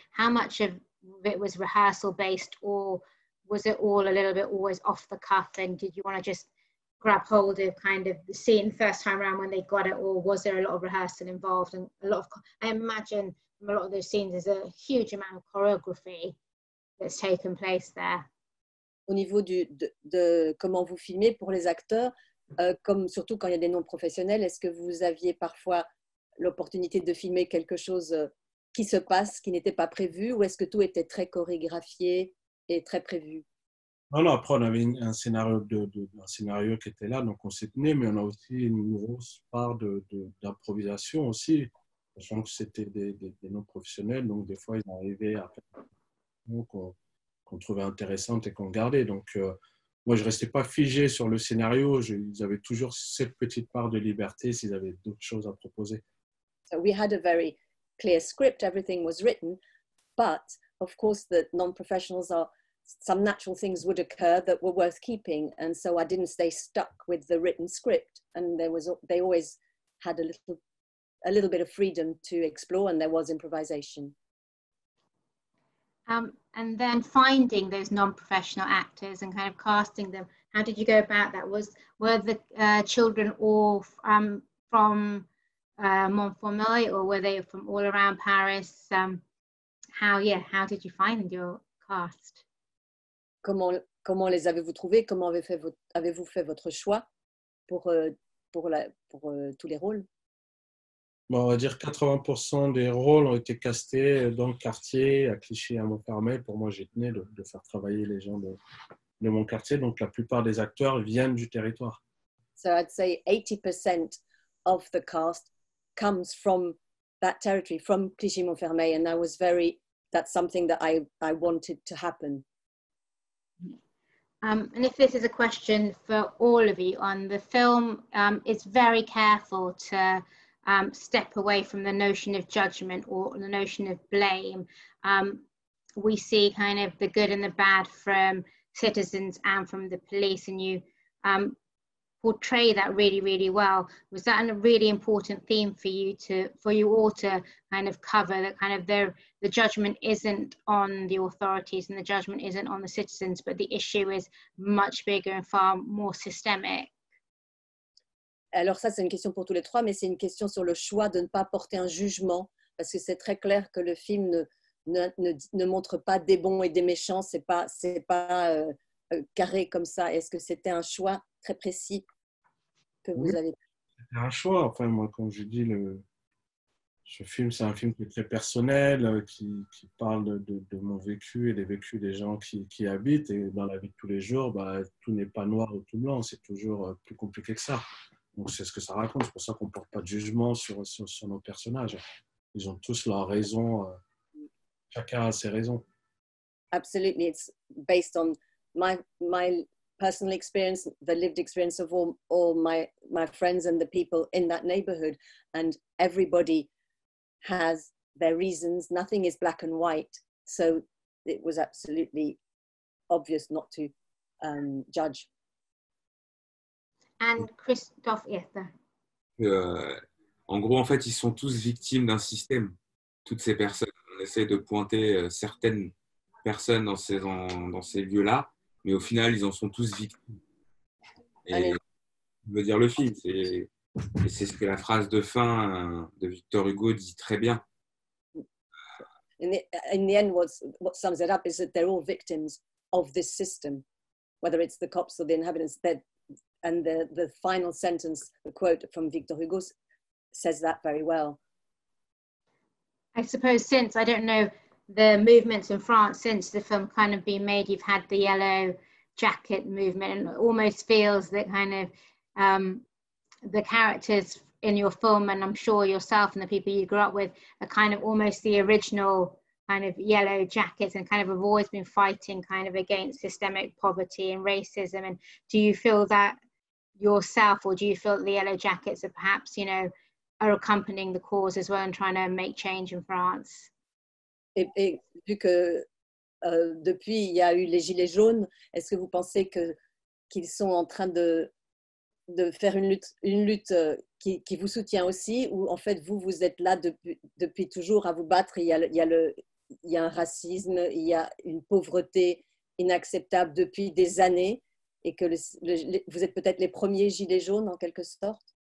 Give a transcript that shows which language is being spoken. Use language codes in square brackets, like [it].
[en] How much of it was rehearsal based, or was it all a little bit always off the cuff, and did you want to just grab hold of kind of the scene first time around when they got it, or was there a lot of rehearsal involved? And I imagine from a lot of those scenes there's a huge amount of choreography that's taken place there. [fr] Au niveau de comment vous filmez pour les acteurs, comme surtout quand il y a des non professionnels, est-ce que vous aviez parfois l'opportunité de filmer quelque chose qui se passe, qui n'était pas prévu, ou est-ce que tout était très chorégraphié et très prévu? Non, après on avait un scénario qui était là, donc on s'y tenait, mais on a aussi une grosse part d'improvisation aussi. sachant que c'était des non-professionnels, donc des fois ils arrivaient à faire des choses qu'on trouvait intéressantes et qu'on gardait. Donc moi je ne restais pas figé sur le scénario, ils avaient toujours cette petite part de liberté s'ils avaient d'autres choses à proposer. [en] So we had a very clear script, everything was written, but of course the non-professionals are, some natural things would occur that were worth keeping, and so I didn't stay stuck with the written script, and they always had a little bit of freedom to explore, and there was improvisation. And then finding those non-professional actors and kind of casting them, how did you go about that? Were the children all from Montfermeil, or were they from all around Paris? How did you find your cast? [fr] Comment les avez-vous trouvés? Comment avez-vous fait votre choix pour tous les rôles? Bon, on va dire 80% des rôles ont été castés dans le quartier, à Clichy, à Montfermeil. Pour moi, j'y tenais de faire travailler les gens de mon quartier. Donc, la plupart des acteurs viennent du territoire. [en] So, I'd say 80% of the cast comes from that territory, from Clichy-Montfermeil. And I was that's something that I wanted to happen. And if this is a question for all of you on the film, it's very careful to step away from the notion of judgment or the notion of blame. We see kind of the good and the bad from citizens and from the police, and you portray that really, really well. Was that a really important theme for you all to kind of cover, that kind of the judgment isn't on the authorities and the judgment isn't on the citizens, but the issue is much bigger and far more systemic? [fr] Alors ça, c'est une question pour tous les trois, mais c'est une question sur le choix de ne pas porter un jugement, parce que c'est très clair que le film ne montre pas des bons et des méchants, c'est pas carré comme ça. Est-ce que c'était un choix très précis que vous avez? C'était un choix. Enfin, moi, comme je dis, ce film, c'est un film qui est très personnel, qui parle de mon vécu et des vécus des gens qui habitent. Et dans la vie de tous les jours, tout n'est pas noir ou tout blanc. C'est toujours plus compliqué que ça. Donc, c'est ce que ça raconte. C'est pour ça qu'on ne porte pas de jugement sur nos personnages. Ils ont tous leurs raisons. Chacun a ses raisons. Absolument. [en] It's based on my personal experience, the lived experience of all my friends and the people in that neighborhood, and everybody has their reasons. Nothing is black and white, so it was absolutely obvious not to judge. And Christophe, yes, sir. [fr] En gros, en fait, ils sont tous victimes d'un système. Toutes ces personnes, on essaie de pointer certaines personnes dans ces lieux-là. Mais au final, ils en sont tous victimes. Et je veux dire le film, c'est ce que la phrase de fin de Victor Hugo dit très bien. [en] In the end, what sums it up is that they're all victims of this system, whether it's the cops or the inhabitants. And the final sentence, the quote from Victor Hugo, says that very well. I suppose since, I don't know, the movements in France since the film kind of been made, you've had the yellow jacket movement, and it almost feels that kind of the characters in your film, and I'm sure yourself and the people you grew up with, are kind of almost the original kind of yellow jackets, and kind of have always been fighting kind of against systemic poverty and racism. And do you feel that yourself, or do you feel that the yellow jackets are perhaps, you know, are accompanying the cause as well and trying to make change in France? [fr] Et vu que depuis il y a eu les gilets jaunes, est-ce que vous pensez qu'ils sont en train de faire une lutte qui vous soutient aussi, ou en fait vous êtes là depuis toujours à vous battre? Il y a un racisme, il y a une pauvreté inacceptable depuis des années, et que vous êtes peut-être les premiers gilets jaunes en quelque sorte.